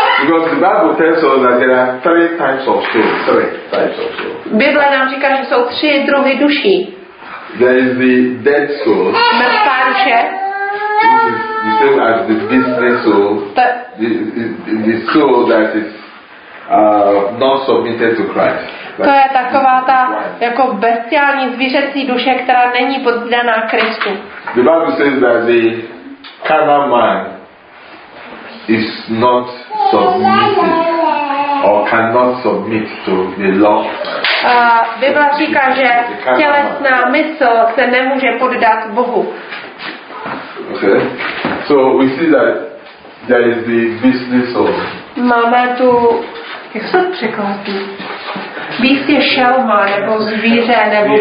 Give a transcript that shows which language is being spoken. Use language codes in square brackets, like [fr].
[en] Because the Bible tells us that there are 3 types of soul. 3 types of soul. [cs] Bible nám říká, že jsou 3 druhy duší. [en] There is the dead soul. [cs] Mrtvá duše. [en] Which is the same as the beastly soul. The soul that is not submitted to Christ. [cs] To je taková ta jako bestiální zvířecí duše, která není poddaná Kristu. [en] The Bible says that the carnal man is not submitted or cannot submit to the law. [cs] Bible říká, že tělesná mysl se nemůže poddat Bohu. [en] Okay. So we see that there is the beastly soul. [cs] Máme tu, jak se překládá? Býst je šelma, nebo zvíře, nebo